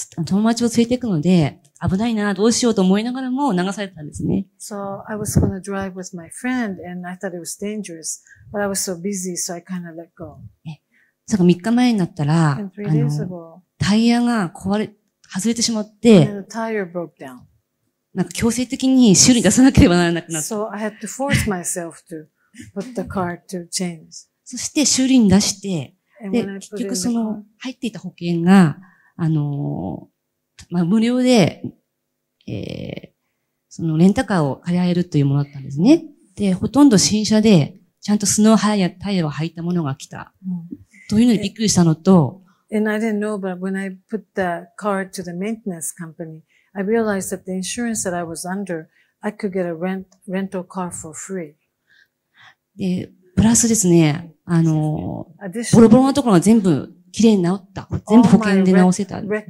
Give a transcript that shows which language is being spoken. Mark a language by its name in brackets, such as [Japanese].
[Japanese] 友達を連れて行くので、危ないな、どうしようと思いながらも流されたんですね。 [English] So I was going to drive with my friend and I thought it was dangerous, but I was so busy, so I kind of let go. [Japanese] そうか、3日前になったら、タイヤが外れてしまって、 [English] and the tire broke down. [Japanese] なんか強制的に修理出さなければならなくなった。 [English] So I had to force myself to put the car to change. [Japanese] そして修理に出して、で、結局その入っていた保険が、まあ、無料で、そのレンタカーを借り上げるというものだったんですね。で、ほとんど新車で、ちゃんとスノーハイやタイヤを履いたものが来た。というのにびっくりしたのと、 [English] And I didn't know, but when I put the car to the maintenance company, I realized that the insurance that I was under, I could get a rental car for free. [Japanese] で、プラスですね、ボロボロのところが全部きれいに直った。全部保険で直せた。